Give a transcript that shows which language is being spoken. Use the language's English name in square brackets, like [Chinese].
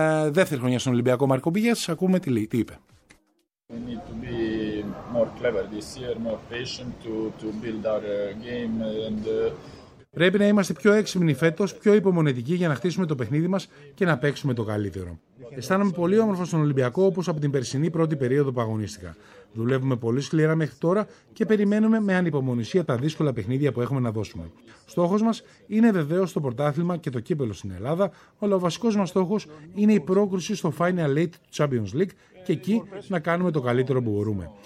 [Greek] Δεύτερη χρονιά στον Ολυμπιακό Μάρκο Μπίγιατς, ακούμε τι λέει, τι είπε. [English] We need to be more clever this year, more patient to build our game and. [Greek] Πρέπει να είμαστε πιο έξυπνοι φέτος, πιο υπομονετικοί για να χτίσουμε το παιχνίδι μας και να παίξουμε το καλύτερο. Αισθάνομαι πολύ όμορφα στον Ολυμπιακό όπως από την περσινή πρώτη περίοδο που αγωνίστηκα. Δουλεύουμε πολύ σκληρά μέχρι τώρα και περιμένουμε με ανυπομονησία τα δύσκολα παιχνίδια που έχουμε να δώσουμε. Στόχος μας είναι βεβαίως το πρωτάθλημα και το κύπελλο στην Ελλάδα, αλλά ο βασικός μας στόχος είναι η πρόκριση στο Final Eight του Champions League και εκεί να κάνουμε το καλύτερο που μπορούμε.